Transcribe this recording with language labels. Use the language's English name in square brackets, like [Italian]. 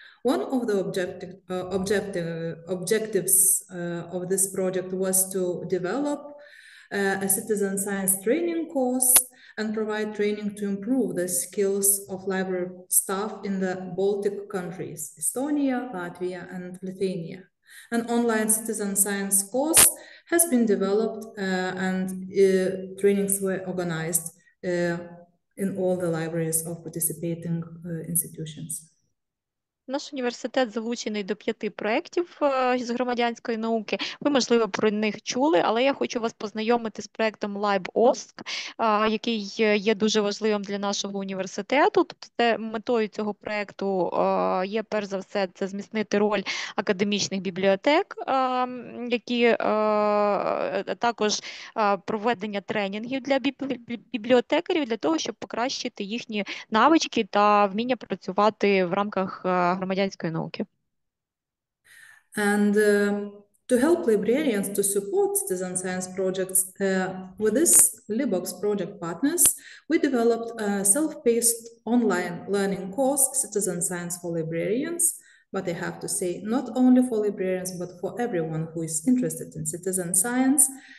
[English] One of the objectives of this project was to develop a citizen science training course and provide training to improve the skills of library staff in the Baltic countries, Estonia, Latvia, and Lithuania. An online citizen science course has been developed and trainings were organized in all the libraries of participating institutions. [Ukrainian] Наш університет залучений до 5 проєктів з громадянської науки. Ви, можливо, про них чули, але я хочу вас познайомити з проєктом LibOSC, який є дуже важливим для нашого університету. Тобто це метою цього проєкту є, перш за все, це зміцнити роль академічних бібліотек, які також проведення тренінгів для бібліотекарів для того, щоб покращити їхні навички та вміння працювати в рамках громадянської науки. [English] And to help librarians to support citizen science projects, with this Libox project partners, we developed a self-paced online learning course, Citizen Science for Librarians, but I have to say, not only for librarians, but for everyone who is interested in citizen science.